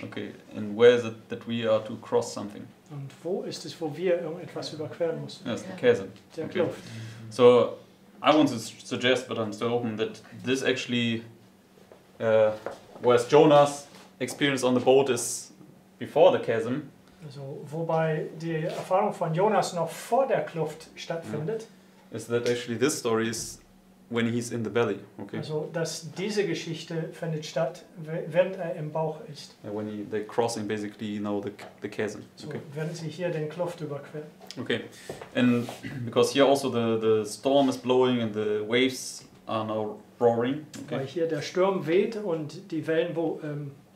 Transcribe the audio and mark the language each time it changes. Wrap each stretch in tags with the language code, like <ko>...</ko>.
<en>Okay, and where is it that we are to cross something?</en> <de>Und wo ist es, wo wir irgendetwas überqueren müssen?</de> <en>Yes, the chasm.</en> <de>Der Kluft.</de> <en>So, I want to suggest, but I'm still hoping that this actually, whereas Jonah's experience on the boat is before the chasm.</en> <de>Also, wobei die Erfahrung von Jonas noch vor der Kluft stattfindet.</de> <en>Yeah. Is that actually this story is when he's in the belly, okay?</en> <de>Also, dass diese Geschichte findet statt, während er im Bauch ist.</de> <en>Yeah, when they're crossing basically, you know, the chasm.</en> <de>So, okay. Während sie hier den Kluft überqueren.</de> <en>Okay, and because here also the storm is blowing and the waves are now roaring. Okay.</en> <de>Weil hier der Sturm weht und die Wellen wogen.</de>